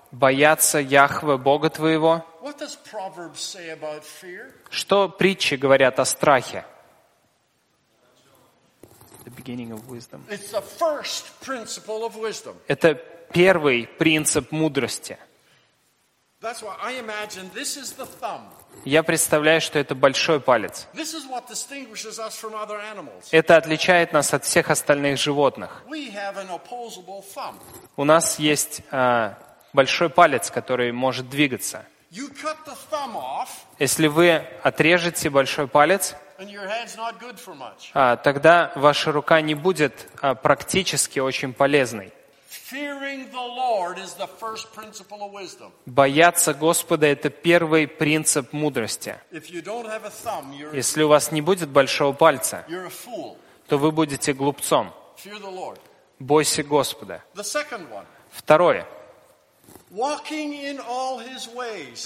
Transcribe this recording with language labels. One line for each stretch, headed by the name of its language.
Russian: Бояться Яхве Бога твоего.
English: What does Proverbs say about fear?
Russian: Что притчи говорят о страхе?
English: The beginning of wisdom. It's the first principle of wisdom.
Russian: Это первый принцип мудрости.
English: That's why I imagine this is the thumb.
Russian: Я представляю, что это большой палец.
English: This is what distinguishes us from other animals.
Russian: Это отличает нас от всех остальных животных.
English: We have an opposable thumb.
Russian: У нас есть большой палец, который может двигаться.
English: You cut the thumb off,
Russian: если вы отрежете большой палец,
English: and your hand's not good for much.
Russian: Тогда ваша рука не будет практически очень полезной.
English: Fearing the Lord is the first principle of wisdom.
Russian: Бояться Господа – это первый принцип мудрости.
English: If you don't have a thumb, you're
Russian: если у вас не будет большого пальца,
English: you're a fool.
Russian: То вы будете глупцом.
English: Fear the Lord.
Russian: Бойся Господа.
English: The second one.
Russian: Второе.
English: Walking in all his ways.